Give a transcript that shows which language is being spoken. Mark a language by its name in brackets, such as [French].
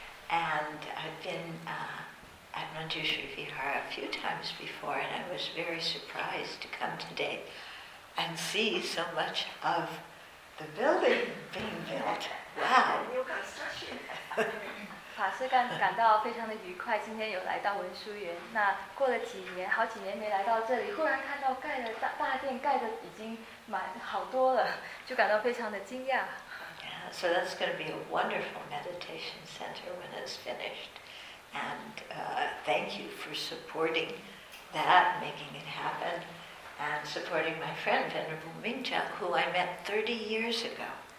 [English] And I've been at Manjushri Vihara a few times before, and I was very surprised to come today and see so much of the building being built. Wow! [Chinese] 法师感到非常的愉快，今天有来到文殊园。那过了几年，好几年没来到这里，忽然看到盖的大殿盖的已经蛮好多了，就感到非常的惊讶。 [English] Yeah, so that's going to be a wonderful meditation center when it's finished. And thank you for supporting that, making it happen, and supporting my friend Venerable Mingcha, who I met 30 years ago.